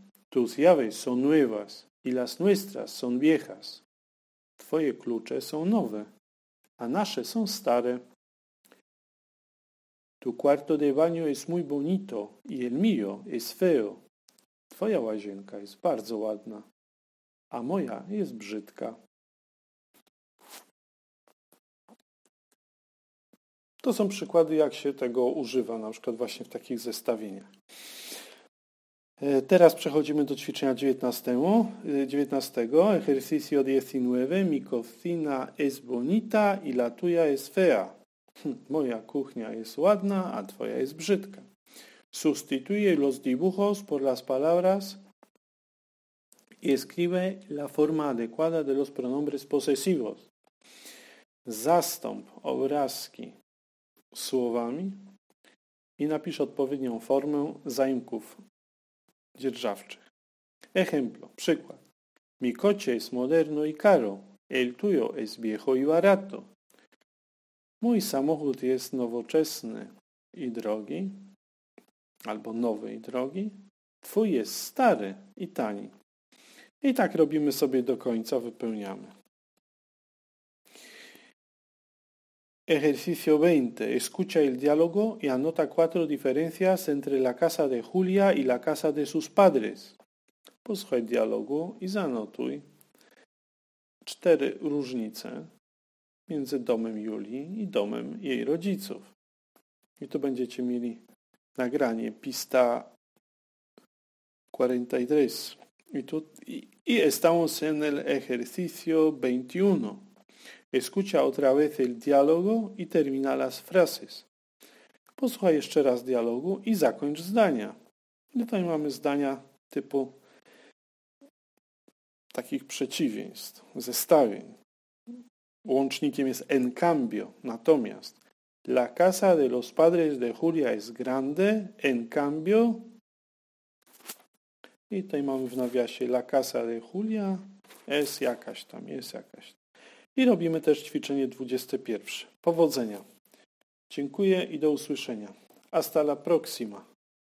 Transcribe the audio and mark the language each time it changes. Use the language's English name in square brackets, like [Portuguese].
[Spanish] Tus llaves son nuevas y las nuestras son viejas. [Polish] Twoje klucze są nowe, a nasze są stare. [Spanish] Tu cuarto de baño es muy bonito y el mío es feo. [Polish] Twoja łazienka jest bardzo ładna, a moja jest brzydka. To są przykłady, jak się tego używa, na przykład właśnie w takich zestawieniach. Teraz przechodzimy do ćwiczenia 19. [Spanish] Ejercicio 19. Mi cocina es bonita y la tuya es fea. [Polish] Moja kuchnia jest ładna, a twoja jest brzydka. [Spanish] Sustituye los dibujos por las palabras y escribe la forma adecuada de los pronombres posesivos. [Polish] Zastąp obrazki słowami i napisz odpowiednią formę zaimków dzierżawczych. [Spanish] Ejemplo, [Polish] przykład. [Spanish] Mi coche es moderno y caro. El tuyo es viejo y barato. [Polish] Mój samochód jest nowoczesny i drogi, albo nowy i drogi. Twój jest stary i tani. I tak robimy sobie do końca, wypełniamy. [Spanish] Ejercicio 20. Escucha el diálogo y anota cuatro diferencias entre la casa de Julia y la casa de sus padres. [Polish] Posłuchaj dialogu i zanotuj cztery różnice między domem Julii i domem jej rodziców. I tu będziecie mieli nagranie, pista 43. [Spanish] I estamos en el ejercicio 21. Escucha otra vez el diálogo y termina las frases. [Polish] Posłuchaj jeszcze raz dialogu i zakończ zdania. Tutaj mamy zdania typu takich przeciwieństw, zestawień. Łącznikiem jest [Spanish] en cambio, [Polish] natomiast. [Spanish] La casa de los padres de Julia es grande, en cambio. [Polish] I tutaj mamy w nawiasie [Spanish] la casa de Julia es [Polish] jakaś tam, jest jakaś. I robimy też ćwiczenie 21. Powodzenia. Dziękuję i do usłyszenia. [Spanish] Hasta la próxima.